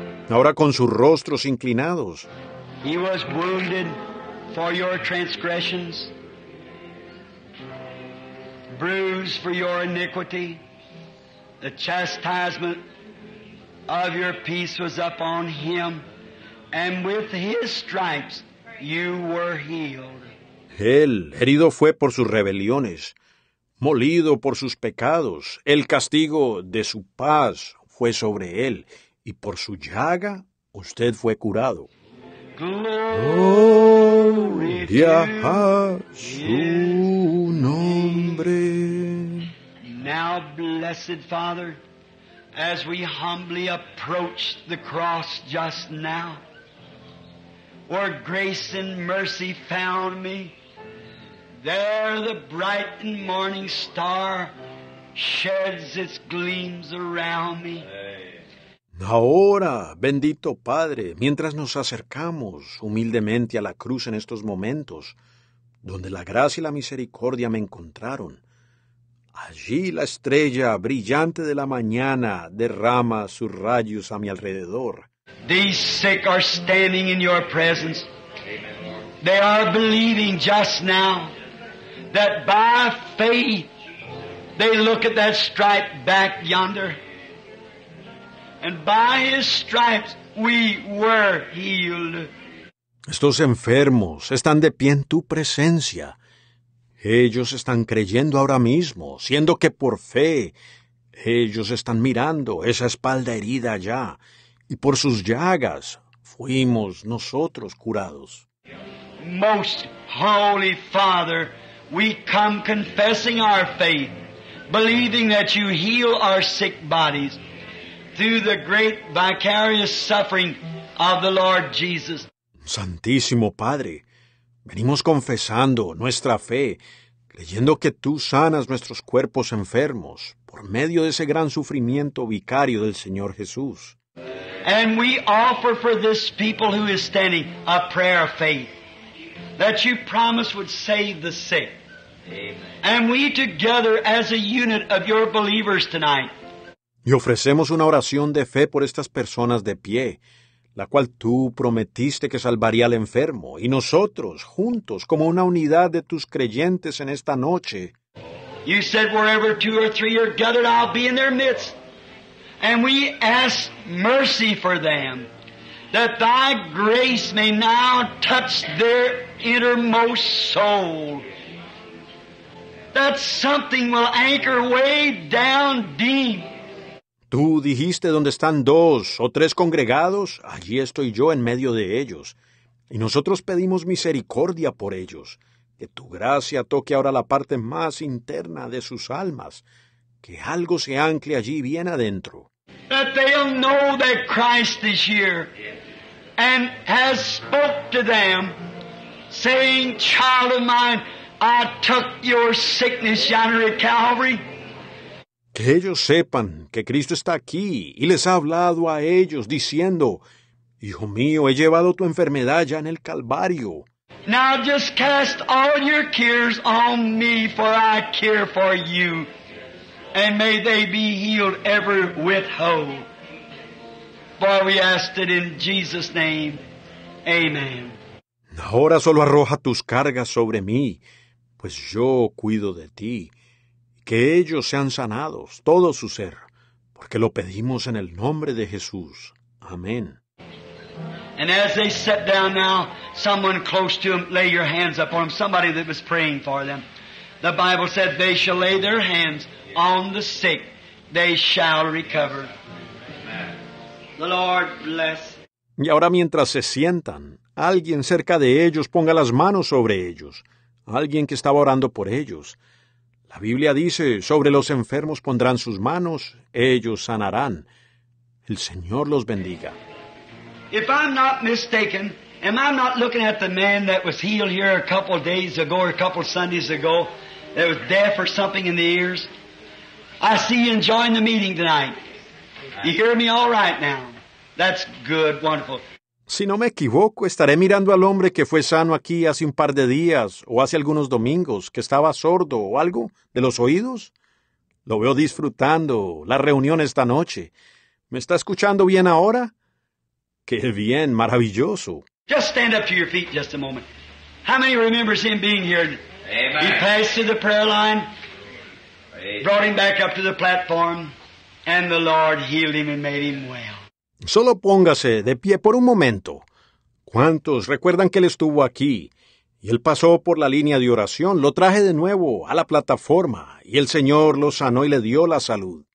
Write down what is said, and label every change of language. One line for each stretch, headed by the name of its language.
Spanish: Ahora con sus rostros inclinados.
English: He was wounded for your transgressions, bruised for your iniquity. The chastisement of your peace was upon him, and with his stripes you were healed.
Spanish: Él herido fue por sus rebeliones, molido por sus pecados. El castigo de su paz fue sobre él, y por su llaga usted fue curado. Gloria a su nombre.
English: Now, blessed Father, as we humbly approach the cross just now, where grace and mercy found me, there the bright and morning star sheds its gleams around me.
Spanish: Ahora, bendito Padre, mientras nos acercamos humildemente a la cruz en estos momentos, donde la gracia y la misericordia me encontraron, allí la estrella brillante de la mañana derrama sus rayos a mi alrededor.
English: These sick are standing in your presence. They are believing just now that by faith they look at that stripe back yonder. And by his stripes we were healed.
Spanish: Estos enfermos están de pie en tu presencia. Ellos están creyendo ahora mismo, siendo que por fe ellos están mirando esa espalda herida allá, y por sus llagas fuimos nosotros curados.
English: Most holy Father, we come confessing our faith, believing that you heal our sick bodies through the great vicarious suffering of the Lord Jesus.
Spanish: Santísimo Padre, venimos confesando nuestra fe, creyendo que tú sanas nuestros cuerpos enfermos por medio de ese gran sufrimiento vicario del Señor Jesús.
English: And we offer for this people who is standing a prayer of faith that you promised would save the sick. Amen. And we together as a unit of your believers tonight.
Spanish: Y ofrecemos una oración de fe por estas personas de pie, la cual tú prometiste que salvaría al enfermo, y nosotros, juntos, como una unidad de tus creyentes en esta noche.
English: You said wherever two or three are gathered, I'll be in their midst. And we ask mercy for them, that thy grace may now touch their innermost soul. That something will anchor way down deep.
Spanish: Tú dijiste donde están dos o tres congregados, allí estoy yo en medio de ellos. Y nosotros pedimos misericordia por ellos, que tu gracia toque ahora la parte más interna de sus almas, que algo se ancle allí bien adentro.
English: That they'll know that Christ is here and has spoke to them, saying, child of mine, I took your sickness yonder at Calvary.
Spanish: Que ellos sepan que Cristo está aquí y les ha hablado a ellos diciendo, Hijo mío, he llevado tu enfermedad ya en el Calvario.
English: Now just cast all your cares on me, for I care for you. And may they be healed ever with hope. For we ask it in Jesus' name. Amen.
Spanish: Ahora solo arroja tus cargas sobre mí, pues yo cuido de ti. Que ellos sean sanados, todo su ser, porque lo pedimos en el nombre de Jesús. Amén.
English: And as they sit down now, someone close to them, lay your hands upon them, somebody that was praying for them. The Bible said, they shall lay their hands on the sick, they shall recover. The Lord bless.
Spanish: Y ahora mientras se sientan, alguien cerca de ellos ponga las manos sobre ellos, alguien que estaba orando por ellos. La Biblia dice, sobre los enfermos pondrán sus manos, ellos sanarán. El Señor los bendiga.
English: If I'm not mistaken, am I not looking at the man that was healed here a couple of days ago or a couple of Sundays ago that was deaf or something in the ears? I see you enjoying the meeting tonight. You hear me all right now? That's good, wonderful.
Spanish: Si no me equivoco, estaré mirando al hombre que fue sano aquí hace un par de días o hace algunos domingos, que estaba sordo o algo de los oídos. Lo veo disfrutando la reunión esta noche. ¿Me está escuchando bien ahora? ¡Qué bien! ¡Maravilloso!
English: Just stand up to your feet just a moment. How many remembers him being here? Amen. He passed through the prayer line, brought him back up to the platform, and the Lord healed him and made him well.
Spanish: Solo póngase de pie por un momento. ¿Cuántos recuerdan que él estuvo aquí? Y él pasó por la línea de oración, lo traje de nuevo a la plataforma, y el Señor lo sanó y le dio la salud.